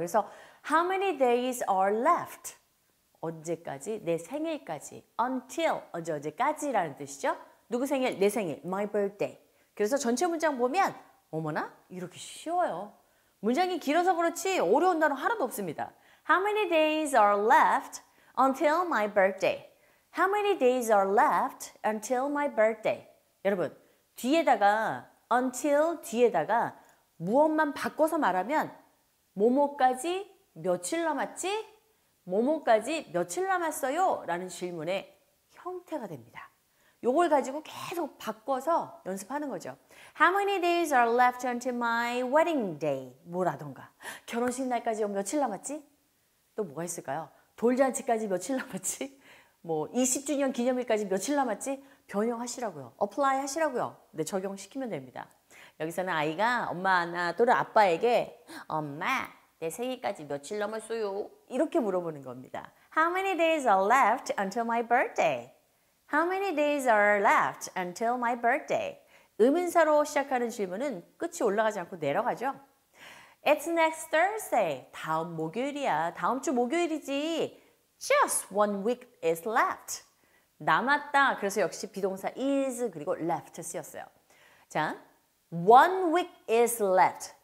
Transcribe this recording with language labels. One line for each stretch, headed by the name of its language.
Korean: 그래서
English: How many days are left?
Korean: 언제까지? 내 생일까지. Until. 언제 언제까지라는 뜻이죠. 누구 생일? 내 생일.
English: My birthday.
Korean: 그래서 전체 문장 보면 어머나 이렇게 쉬워요. 문장이 길어서 그렇지 어려운 단어 하나도 없습니다.
English: How many days are left until my birthday? How many days are left until my birthday?
Korean: 여러분, 뒤에다가 until 뒤에다가 무엇만 바꿔서 말하면 뭐뭐까지 며칠 남았지? 뭐뭐까지 며칠 남았어요? 라는 질문의 형태가 됩니다. 요걸 가지고 계속 바꿔서 연습하는 거죠.
English: How many days are left until my wedding day?
Korean: 뭐라던가. 결혼식 날까지 며칠 남았지? 또 뭐가 있을까요? 돌잔치까지 며칠 남았지? 뭐 20주년 기념일까지 며칠 남았지? 변형하시라고요. Apply 하시라고요. 네, 적용시키면 됩니다. 여기서는 아이가 엄마나 또는 아빠에게 엄마, 내 생일까지 며칠 남았어요? 이렇게 물어보는 겁니다.
English: How many days are left until my birthday? How many days are left until my birthday?
Korean: 의문사로 시작하는 질문은 끝이 올라가지 않고 내려가죠.
English: It's next Thursday.
Korean: 다음 목요일이야. 다음 주 목요일이지.
English: Just one week is left.
Korean: 남았다. 그래서 역시 비동사 is 그리고 left 쓰였어요. 자,
English: one week is left.